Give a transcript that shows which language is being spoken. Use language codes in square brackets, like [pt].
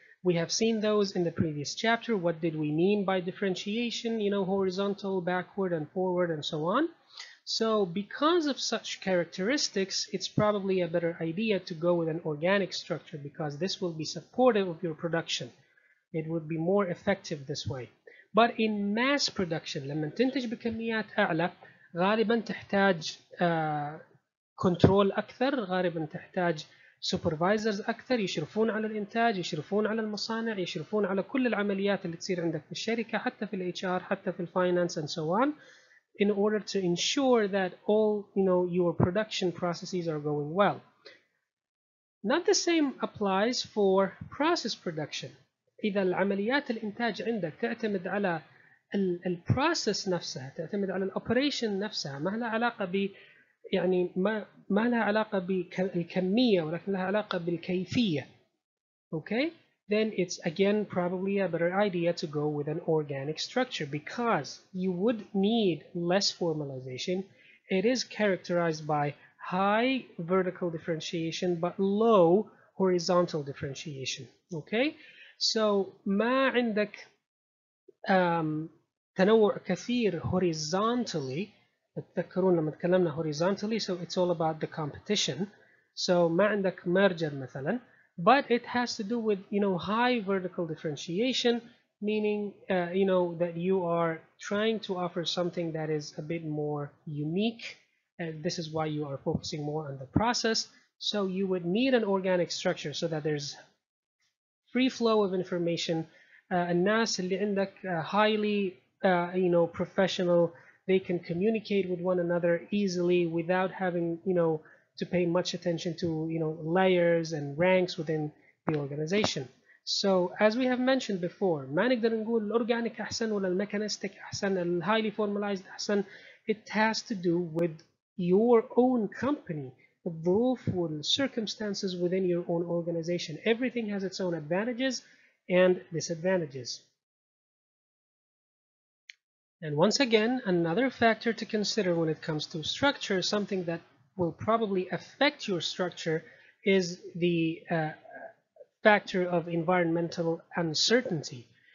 [en] We have seen those in the previous chapter. What did we mean by differentiation? You know, horizontal, backward, and forward, and so on. So because of such characteristics, it's probably a better idea to go with an organic structure, because this will be supportive of your production. It would be more effective this way. But in mass production, [ar] لما تنتج بكميات أعلى غالبا تحتاج control أكثر, غالبا تحتاج supervisors أكثر, يشرفون على الإنتاج, يشرفون على المصانع, يشرفون على كل العمليات اللي تصير عندك في الشركة, حتى في الHR, حتى في الفاينانس, [en] and so on, in order to ensure that all, you know, your production processes are going well. Not the same applies for process production. [ar] إذا العمليات الإنتاج عندك تعتمد على الـ process نفسها, تعتمد على الـ operation نفسها, ما لها علاقة ب, يعني ما لها علاقة بالكمية, ولكن لها علاقة بالكيفية. [en] Okay? Then it's again probably a better idea to go with an organic structure, because you would need less formalization. It is characterized by high vertical differentiation but low horizontal differentiation. Okay? [ar] So ما عندك تنوع كثير horizontally. تذكرون لما تكلمنا [en] horizontally, so it's all about the competition. So [ar] ما عندك [en] merger مثلا, but it has to do with, you know, high vertical differentiation, meaning you know, that you are trying to offer something that is a bit more unique, and this is why you are focusing more on the process. So you would need an organic structure so that there's free flow of information. [ar] الناس اللي عندك [en] highly you know, professional, they can communicate with one another easily without having, you know, to pay much attention to, you know, layers and ranks within the organization. So as we have mentioned before, [ar] ما نقدر نقول الأورجانيك أحسن ولا الميكانيستيك أحسن, الهايلي فورماليزد أحسن. [en] It has to do with your own company, the ظروف والcircumstances within your own organization. Everything has its own advantages and disadvantages. And once again, another factor to consider when it comes to structure, something that will probably affect your structure, is the factor of environmental uncertainty.